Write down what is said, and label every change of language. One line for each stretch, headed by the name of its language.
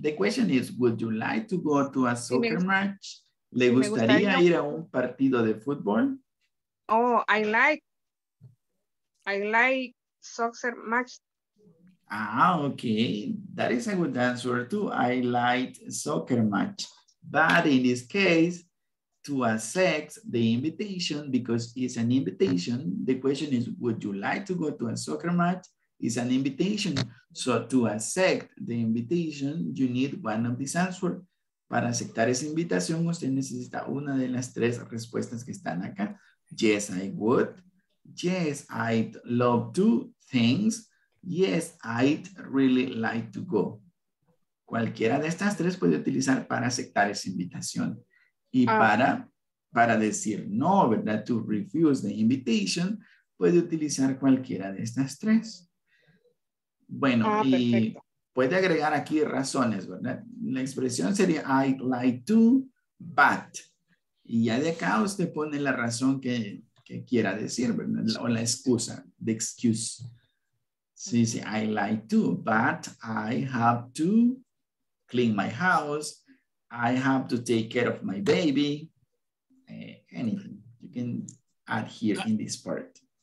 English: The question is, would you like to go to a soccer match?
Spanish: ¿Le gustaría ir a un partido de fútbol?
English: Oh, I like soccer match. Ah, ok. That is a good answer too. I like soccer match. But in this case, to accept the invitation, because it's an invitation. The question is, would you like to go to a soccer match? It's an invitation. So to accept the invitation, you need one of these answers.
Spanish: Para aceptar esa invitación, usted necesita una de las tres respuestas que están acá.
English: Yes, I would. Yes, I'd love to. Thanks. Yes, I'd really like to go.
Spanish: Cualquiera de estas tres puede utilizar para aceptar esa invitación. Y para decir no, ¿verdad?
English: To refuse the invitation,
Spanish: puede utilizar cualquiera de estas tres. Bueno, y perfecto. Puede agregar aquí razones, ¿verdad? La expresión sería
English: I'd like to, but.
Spanish: Y ya de acá usted pone la razón que quiera decir, ¿verdad? O la excusa,
English: the excuse. Sí, I'd like to, but I have to, clean my house, I have to take care of my baby, anything. You can add here in this part.